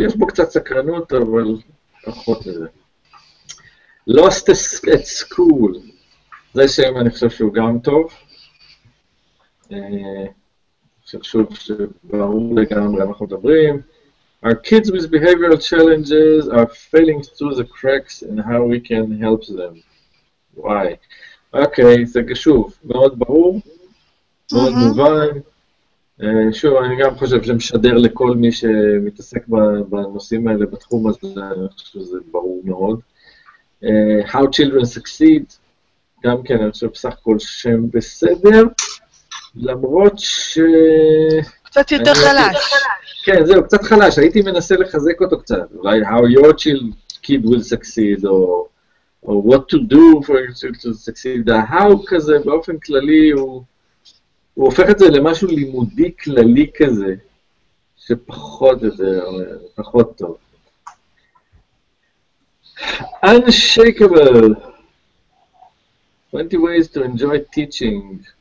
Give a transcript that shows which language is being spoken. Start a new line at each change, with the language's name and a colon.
Hebrew: יש בו קצת סקרנות, אבל פחות לזה. Lost at school, זה שם אני חושב שהוא גם טוב. שחשוב שברור לגמרי אנחנו מדברים.
English: Our kids with behavioral challenges are failing through the cracks and how we can help them. Why?
Hebrew: Okay, זה שוב, מאוד ברור, מאוד מובן. שוב, אני גם חושב שמשדר לכל מי שמתעסק בנושאים האלה בתחום הזה, אני חושב שזה ברור מאוד. How children succeed, גם כן, אני חושב בסך הכל שם בסדר, למרות ש... קצת יותר חלש. כן, זהו, קצת חלש, הייתי מנסה לחזק אותו קצת, אולי how your child kid will succeed, או what to do for your child to succeed, ה-how כזה באופן כללי, הוא הופך את זה למשהו לימודי כללי כזה, שפחות יותר, פחות טוב.
English: Unshakable, 20 ways to enjoy teaching.